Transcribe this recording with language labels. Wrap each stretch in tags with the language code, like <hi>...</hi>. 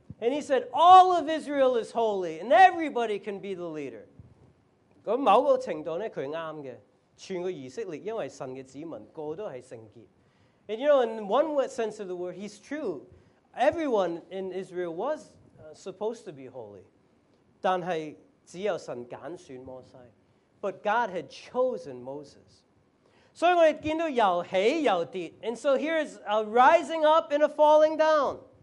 <en>And he said, all of Israel is holy, and everybody can be the leader.</en> <zh>某個程度呢,他是對的。全個以色列,因為神的子民,個個都是聖潔。</zh> <en>And you know, in one sense of the word, he's true. Everyone in Israel was supposed to be holy.</en> <zh>但是只有神揀選摩西。</zh> <en>But God had chosen Moses.</en> <zh>所以我們看到又起又跌。</zh> <en>And so here is a rising up and a falling down.</en>